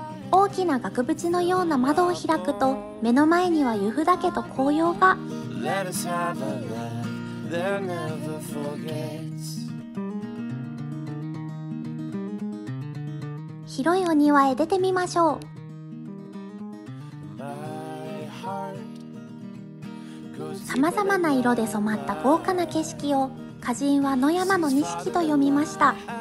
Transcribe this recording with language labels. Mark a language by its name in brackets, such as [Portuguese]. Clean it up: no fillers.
[Japanese] 大きな額縁のような窓を開くと、目の前には由布岳と紅葉が。 [English] Let us have a love that never forgets。 [Japanese] 広いお庭へ出てみましょう。 [English] My heart goes to the light。 [Japanese] 様々な色で染まった豪華な景色を、歌人は野山の錦と読みました。